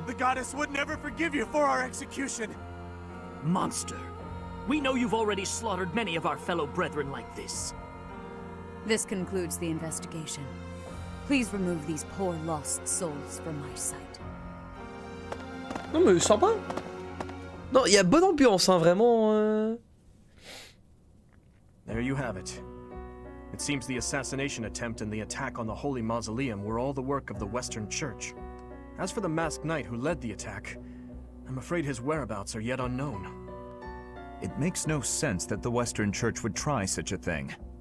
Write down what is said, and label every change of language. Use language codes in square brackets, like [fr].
[en] The goddess would never forgive you for our execution. Monster, we know you've already slaughtered many of our fellow brethren like this. This concludes the investigation. Please remove these poor lost souls from my sight. [fr] Non mais sympa. Non, il y a bonne ambiance hein, vraiment. [en] There you have it. It seems the assassination attempt and the attack on the Holy Mausoleum were all the work of the Western Church. As for the masked knight who led the attack, I'm afraid his whereabouts are yet unknown. It makes no sense that the Western Church would try such a thing.